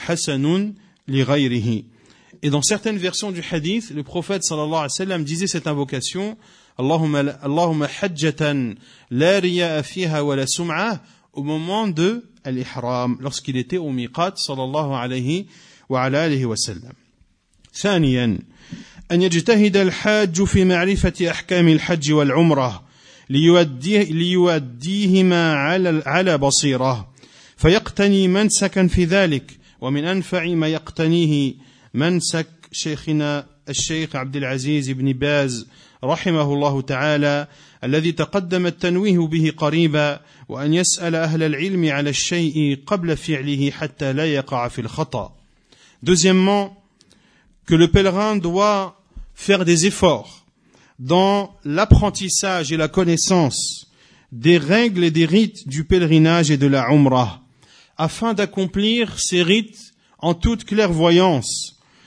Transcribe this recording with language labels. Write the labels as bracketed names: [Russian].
[Arabic] Hassanun li ghayrihi. [French] Et dans certaines versions du hadith, le prophète, sallallahu alayhi wa sallam, disait cette invocation, [Arabic] Allahumma hajjatan la riya'a fiha wa la sum'a, [French] au moment de l'ihram, lorsqu'il était au miqat, sallallahu alayhi wa ala alihi wa sallam. [Arabic] Thaniyan. أن يجتهد الحاج في معرفة أحكام الحج والعمرة ليؤديهما على بصيرة فيقتني منسكا في ذلك ومن أنفع ما يقتنيه منسك شيخنا الشيخ عبد العزيز بن باز رحمه الله تعالى الذي تقدم التنويه به قريبا وأن يسأل أهل العلم على الشيء قبل فعله حتى لا يقع في الخطأ. [French] Deuxièmement, que le pèlerin doit faire des efforts dans l'apprentissage et la connaissance des règles et des rites du pèlerinage et de la umrah, afin d'accomplir ces rites en toute clairvoyance.